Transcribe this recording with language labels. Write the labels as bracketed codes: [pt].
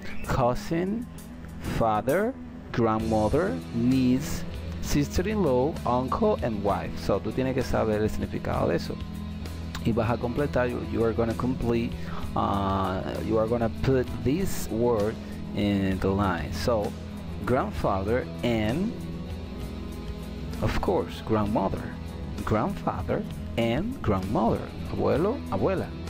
[en] Cousin, father, grandmother, niece, sister-in-law, uncle, and wife. [es] So, tú tienes que saber el significado de eso. Y vas a completar, [en] you are going to complete, you are going to put this word in the line. So, grandfather and, of course, grandmother. Grandfather and grandmother. Abuelo, abuela.